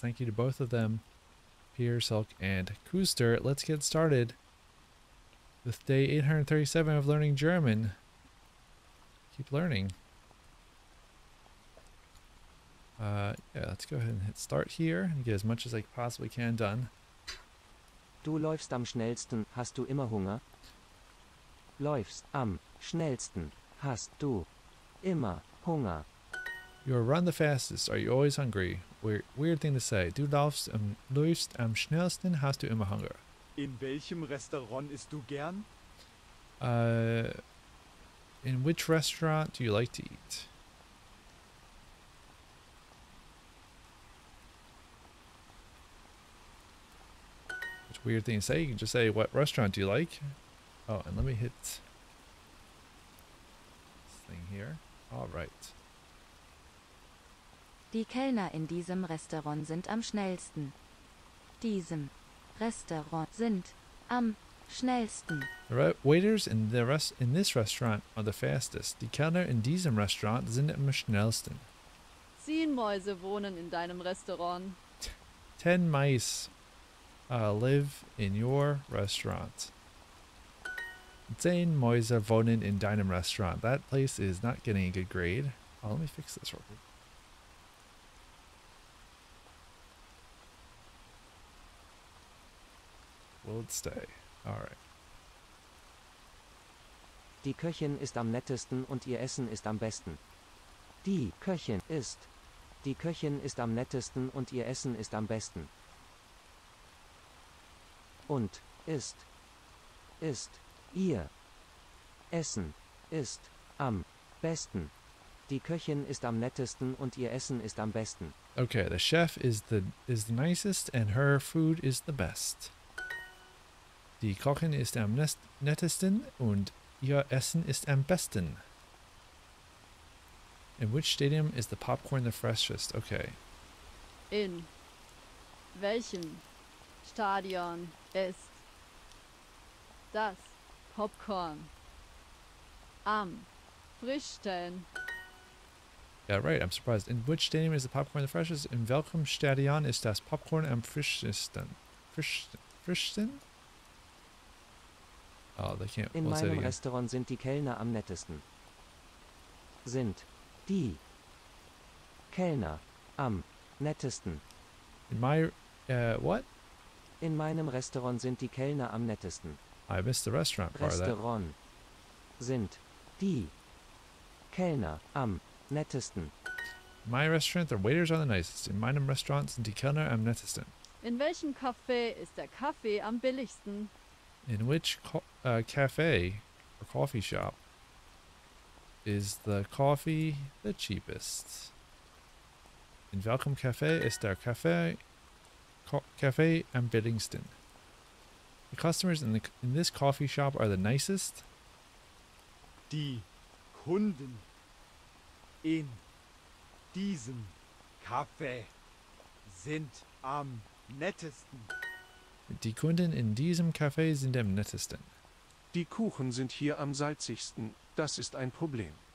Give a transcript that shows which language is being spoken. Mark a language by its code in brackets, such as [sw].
[en] Thank you to both of them, Peter Selk and Kyster. Let's get started with day 837 of learning German. Keep learning. Let's go ahead and hit start here and get as much as I possibly can done. [de] Du läufst am schnellsten, hast du immer Hunger? Läufst am schnellsten, hast du immer Hunger? [en] You run the fastest, are you always hungry? Weird thing to say. [de] Du läufst am schnellsten, hast du immer Hunger? In welchem Restaurant isst du gern? [en] In which restaurant do you like to eat? It's a weird thing to say. You can just say, what restaurant do you like? Oh, and let me hit this thing here. All right. [de] Die Kellner in diesem Restaurant sind am schnellsten. Diesem Restaurant sind am schnellsten. [en] The waiters in the in this restaurant are the fastest. [de] Die Kellner in diesem Restaurant sind am schnellsten. 10 Mäuse wohnen in deinem Restaurant. [en] 10 mice live in your restaurant. [de] 10 Mäuse wohnen in deinem Restaurant. [en] That place is not getting a good grade. Oh, let me fix this real quick. Will it stay? All right. [de] Die Köchin ist am nettesten und ihr Essen ist am besten. Die Köchin ist. Die Köchin ist am nettesten und ihr Essen ist am besten. Und ist. Ist. Ihr. Essen. Ist. Am. Besten. Die Köchin ist am nettesten und ihr Essen ist am besten. [en] Okay, the chef is the nicest and her food is the best. [de] Die Köchin ist am nettesten und ihr Essen ist am besten. [en] In which stadium is the popcorn the freshest? Okay. [de] In welchem Stadion ist das Popcorn am frischsten? [en] Yeah, right. I'm surprised. In which stadium is the popcorn the freshest? [de] In welchem Stadion ist das Popcorn am frischsten? Frischsten? [en] Oh, they can't. [de] In meinem Restaurant sind die Kellner am nettesten. Sind die Kellner am nettesten? [en] In my what? [de] In meinem Restaurant sind die Kellner am nettesten. [en] I missed the restaurant part. Restaurant of that. [de] Sind die Kellner am nettesten. [en] In my restaurant, the waiters are the nicest. [de] In meinem Restaurant sind die Kellner am nettesten. In welchem Café ist der Kaffee am billigsten? [en] In which cafe or coffee shop is the coffee the cheapest? [de] In welchem Cafe ist der Cafe am billigsten? [en] The customers in this coffee shop are the nicest. [de] Die Kunden in diesem Café sind am nettesten. Die Kunden in diesem Café sind am nettesten. Die Kuchen sind hier am salzigsten. Das ist ein Problem.